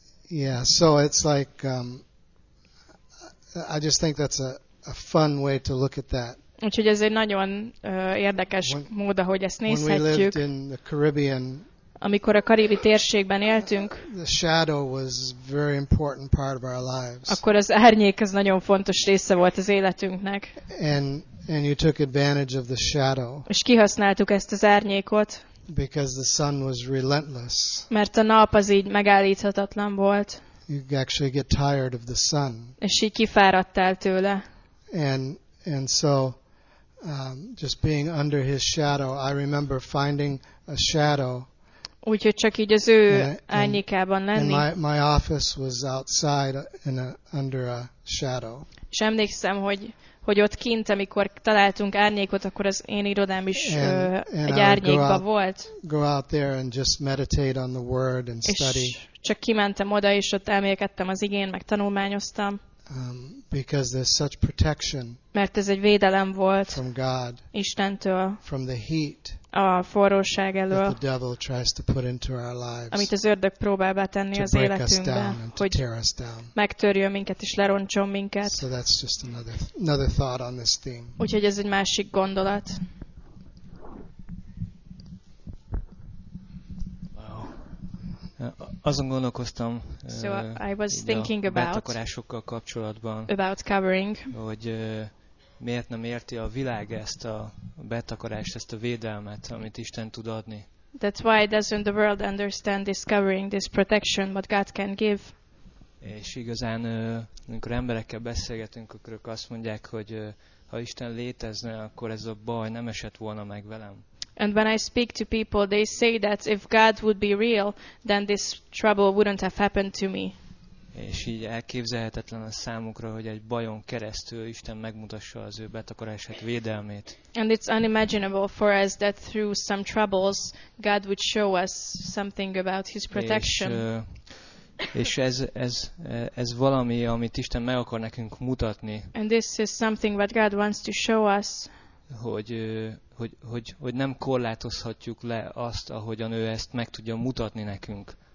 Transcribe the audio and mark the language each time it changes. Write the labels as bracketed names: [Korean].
[English] Yeah, so it's like I just think that's a fun way to look at that. [Hungarian] Úgyhogy ez egy nagyon érdekes mód, ahogy ezt nézhetjük. [English] When we lived in the Caribbean, [Hungarian] amikor a karibi térségben éltünk, [English] the shadow was very important part of our lives. [Hungarian] Akkor az árnyék az nagyon fontos része volt az életünknek. [English] And you took advantage of the shadow. [Hungarian] És kihasználtuk ezt az árnyékot. [English] Because the sun was relentless. [Hungarian] Mert a nap az így megállíthatatlan volt. [English] You actually get tired of the sun. [Hungarian] És így kifáradtál tőle. [English] And so just being under his shadow, I remember finding a shadow. [Hungarian] Úgyhogy csak így az ő árnyékában lenni. [English] And my office was outside under a shadow. [Hungarian] És emlékszem, hogy ott kint, amikor találtunk árnyékot, akkor az én irodám is egy árnyékba volt. [English] Go out there and just meditate on the word and study. [Hungarian] És csak kimentem oda, és ott elmélkedtem az igén, meg tanulmányoztam. [English] Because there's such protection. [Hungarian] Mert ez egy védelem volt. [English] From God. [Hungarian] Istentől. [English] From the heat. [Hungarian] A forróság elől. [English] That the devil tries to put into our lives. [Hungarian] Amit az ördög próbál betenni az életünkbe, hogy megtörjön minket és lerontson minket. [English] So that's just another thought on this theme. [Hungarian] Úgyhogy ez egy másik gondolat. [English] Wow. [Hungarian] Azon gondolkoztam, [English] so I was thinking about [Hungarian] betakarásokkal kapcsolatban, [English] about covering, [Hungarian] hogy miért nem érti a világ ezt a betakarást, ezt a védelmet, amit Isten tud adni. [English] That's why doesn't the world understand this covering, this protection, what God can give. [Hungarian] És igazán, amikor emberekkel beszélgetünk, akkor ők azt mondják, hogy ha Isten létezne, akkor ez a baj nem esett volna meg velem. [English] And when I speak to people, they say that if God would be real, then this trouble wouldn't have happened to me. [Hungarian] És így elképzelhetetlen a számukra, hogy egy bajon keresztül Isten megmutassa az ő betakarását, védelmét. [English] And it's unimaginable for us that through some troubles, God would show us something about his protection. [Hungarian] És ez valami, amit Isten meg akar nekünk mutatni. [English] And this is something that God wants to show us. [Hungarian] Hogy nem korlátozhatjuk le azt, ahogyan ő ezt meg tudja mutatni nekünk.